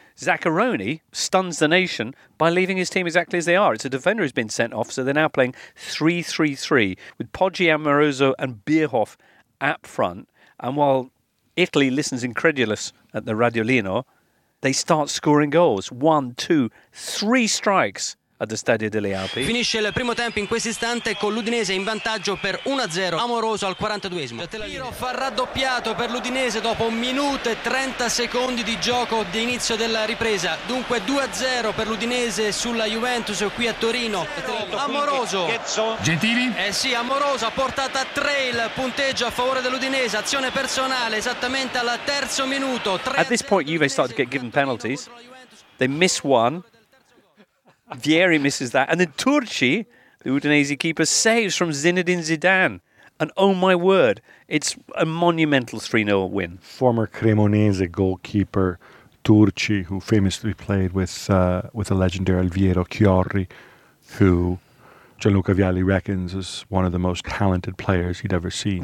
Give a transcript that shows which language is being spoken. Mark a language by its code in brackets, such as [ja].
[en] Zaccheroni stuns the nation by leaving his team exactly as they are. It's a defender who's been sent off, so they're now playing 3-3-3 with Poggi, Amoroso and Bierhoff up front. And while Italy listens incredulous at the Radiolino, they start scoring goals. 1, 2, 3 strikes at the Stadio delle Alpi. [it] Finisce il primo tempo in questo istante con l'Udinese in vantaggio per 1-0. Amoroso al 42esimo. Tiro fa raddoppiato per l'Udinese dopo 1 minuto e 30 secondi di gioco di inizio della ripresa. Dunque 2-0 per l'Udinese sulla Juventus qui a Torino. Amoroso. Gentili. Eh sì, Amoroso ha portato a 3 il punteggio a favore dell'Udinese. Azione personale esattamente al terzo minuto. [en] At this point Juve start to get given penalties. They miss one. Vieri misses that. And then Turchi, the Udinese keeper, saves from Zinedine Zidane. And oh my word, it's a monumental 3-0 win. Former Cremonese goalkeeper Turchi, who famously played with the legendary Alviero Chiorri, who Gianluca Vialli reckons as one of the most talented players he'd ever seen.